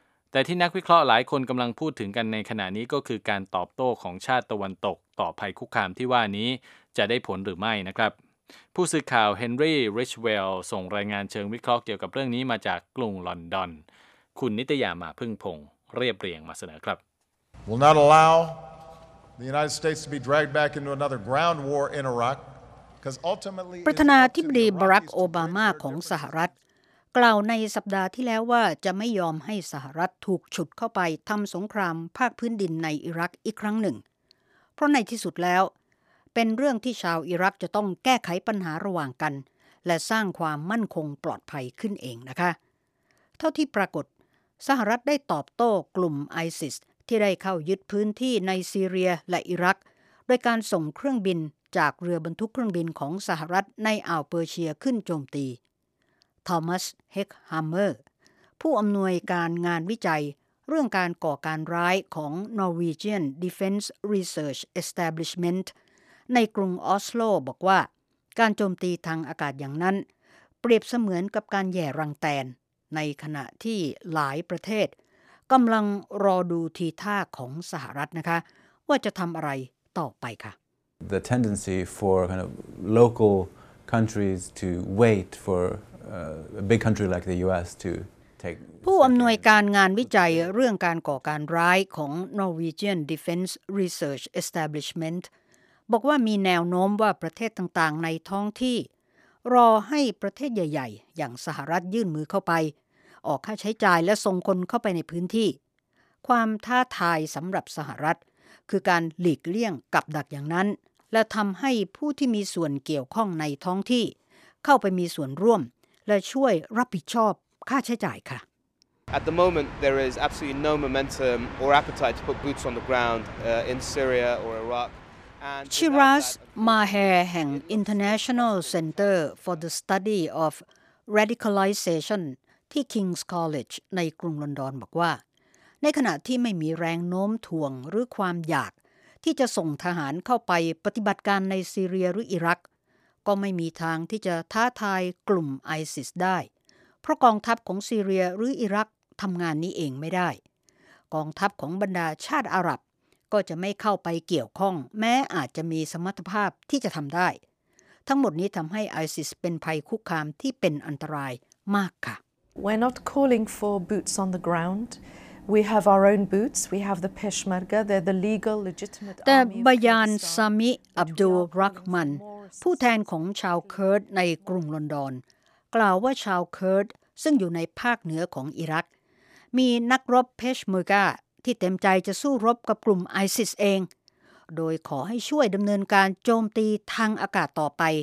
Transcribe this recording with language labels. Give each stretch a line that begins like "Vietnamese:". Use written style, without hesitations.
Thai: แต่ที่นักวิเคราะห์หลายคนกำลังพูดถึงกันในขณะนี้ก็คือการตอบโต้ของชาติตะวันตกต่อภัยคุกคามที่ว่านี้จะได้ผลหรือไม่นะครับผู้สื่อข่าวเฮนรี่ริชเวลส่งรายงานเชิงวิเคราะห์เกี่ยวกับเรื่องนี้มาจากกรุงลอนดอนคุณนิตยามาพึ่งพงเรียบเรียงมาเสนอครับ
English: Will not allow the United States to be dragged back into another ground war in Iraq because ultimately
Thai: ประธานาธิบดีบารักโอบามาของสหรัฐกล่าวในสัปดาห์ที่แล้วว่าจะไม่ยอมให้สหรัฐถูกฉุดเข้าไปทำสงครามภาคพื้นดินในอิรักอีกครั้งหนึ่งเพราะในที่สุดแล้วเป็นเรื่องที่ชาวอิรักจะต้องแก้ไขปัญหาระหว่างกันและสร้างความมั่นคงปลอดภัยขึ้นเองนะคะ เท่าที่ปรากฏสหรัฐได้ตอบโต้กลุ่มไอซิสที่ได้เข้ายึดพื้นที่ในซีเรียและอิรักโดยการส่งเครื่องบินจากเรือบรรทุกเครื่องบินของสหรัฐในอ่าวเปอร์เซียขึ้นโจมตี โทมัสเฮกฮามเมอร์ผู้อำนวยการงานวิจัยเรื่องการก่อการร้ายของ Norwegian Defense Research Establishment ในกรุงออสโลบอกว่าการโจมตีทางอากาศอย่างนั้นเปรียบเสมือนกับการแย่รังแตนในขณะที่หลายประเทศกำลังรอดูทีท่าของสหรัฐนะคะว่าจะทำอะไรต่อไปค่ะ
English: The tendency for kind of local countries to wait for a big country like the US to take
Thai: ผู้อำนวยการงานวิจัยเรื่องการก่อการร้ายของ Norwegian Defense Research Establishment บอกว่ามีแนวโน้มว่าประเทศต่างๆในท้องที่รอให้ประเทศใหญ่ๆอย่างสหรัฐยื่นมือเข้าไปออกค่าใช้จ่ายและส่งคนเข้าไปในพื้นที่ ความท้าทายสำหรับสหรัฐคือการหลีกเลี่ยงกับดักอย่างนั้นและทำให้ผู้ที่มีส่วนเกี่ยวข้องในท้องที่เข้าไปมีส่วนร่วมและช่วยรับผิดชอบค่าใช้จ่ายค่ะ
English: At the moment there is absolutely no momentum or appetite to put boots on the ground in Syria or Iraq
Thai: and Shiraz Maher แห่ง International Center for the Study of Radicalization ที่ King's College ในกรุงลอนดอนบอกว่าในขณะที่ไม่มีแรงโน้มถ่วงหรือความอยากที่จะส่งทหารเข้าไปปฏิบัติการในซีเรียหรืออิรักก็ไม่มีทางที่จะท้าทายกลุ่มไอซิสได้เพราะกองทัพของซีเรียหรืออิรักทำงานนี้เองไม่ได้ กองทัพของบรรดาชาติอาหรับก็จะไม่เข้าไปเกี่ยวข้องแม้อาจจะมีสมรรถภาพที่จะทำได้ทั้งหมดนี้ทำให้ไอซิสเป็นภัยคุกคามที่เป็นอันตรายมากค่ะ
English: We're not calling for boots on the groundWe have our own boots. We have the Peshmerga. They're the legal, legitimate.
Thai: แต่บายาน ซามิ อับดุลรักมันผู้แทนของชาวเคิร์ดในกรุงลอนดอนกล่าวว่าชาวเคิร์ดซึ่งอยู่ในภาคเหนือของอิรักมีนักรบเพชเมอร์กาที่เต็มใจจะสู้รบกับกลุ่มไอซิสเองโดยขอให้ช่วยดำเนินการโจมตีทางอากาศต่อไป